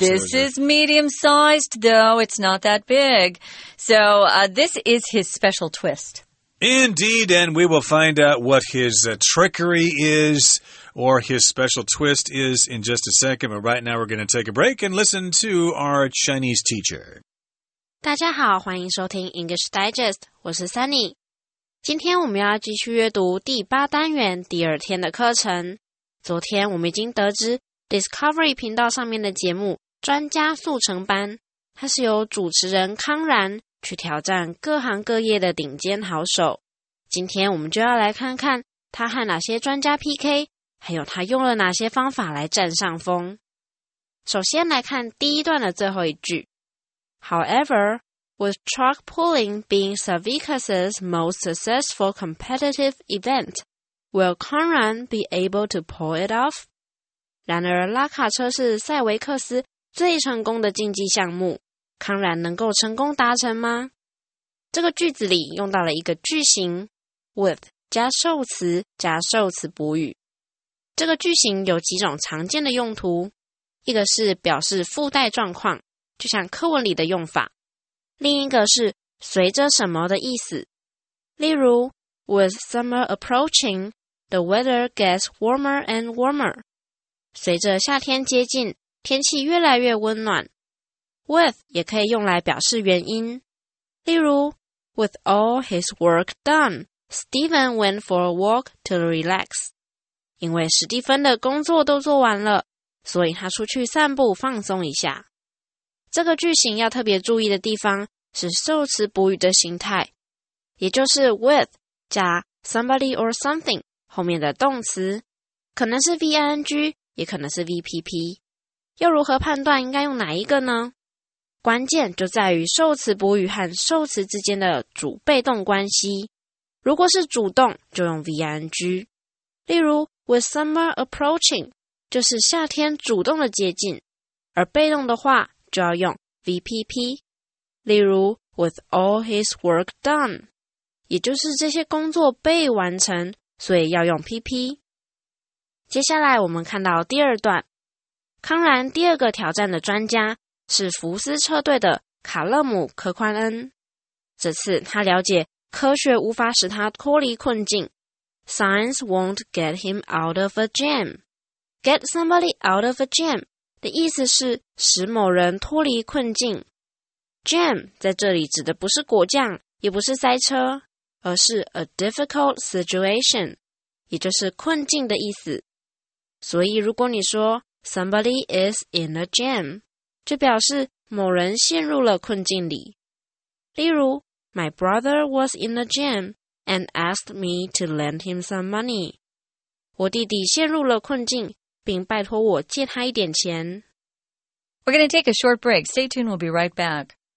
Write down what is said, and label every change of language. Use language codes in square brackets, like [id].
[en] This is medium-sized, though. It's not that big. So this is his special twist. Indeed, and we will find out what his trickery is or his special twist is in just a second. But right now, we're going to take a break and listen to our Chinese teacher. [zh] 大家好，欢迎收听 English Digest， 我是 Sunny。今天我们要继续阅读第八单元第二天的课程。昨天我们已经得知 Discovery 频道上面的节目《专家速成班》，它是由主持人康然去挑战各行各业的顶尖好手。今天我们就要来看看他和哪些专家 PK， 还有他用了哪些方法来占上风。首先来看第一段的最后一句。 [en] However, with truck pulling being Savikas's most successful competitive event, will Conran be able to pull it off? [zh] 然而拉卡车是塞维克斯最成功的竞技项目。康然能够成功达成吗？这个句子里用到了一个句型 with 加受词加受词补语。这个句型有几种常见的用途，一个是表示附带状况，就像课文里的用法，另一个是随着什么的意思。例如 [en] with summer approaching, the weather gets warmer and warmer， [zh] 随着夏天接近，天气越来越温暖。 [en] With [zh] 也可以用来表示原因，例如 [en] With all his work done, Stephen went for a walk to relax. [zh] 因为史蒂芬的工作都做完了，所以他出去散步放松一下。这个句型要特别注意的地方是受词补语的形态，也就是 with 加 [en] somebody or something [zh] 后面的动词，可能是 ving， 也可能是 vpp。要如何判断应该用哪一个呢？关键就在于受词补语和受词之间的主被动关系。如果是主动，就用 ving。例如 ， [en] with summer approaching， [zh] 就是夏天主动的接近；而被动的话，就要用 vpp。例如 ， [en] with all his work done， [zh] 也就是这些工作被完成，所以要用 pp。接下来我们看到第二段，康然第二个挑战的专家是福斯车队的卡勒姆·科宽恩。这次他了解科学无法使他脱离困境。 [en] Science won't get him out of a jam. get somebody out of a jam [zh] 的意思是使某人脱离困境。 Jam 在这里指的不是果酱，也不是塞车，而是 [en] a difficult situation， [zh] 也就是困境的意思。所以如果你说 [en] somebody is in a jam， [zh] 就表示某人陷入了困境里。例如 [en] My brother was in a jam and asked me to lend him some money。 [zh] 我弟弟陷入了困境，并拜托我借他一点钱。 [en] We're going to take a short break. Stay tuned, we'll be right back.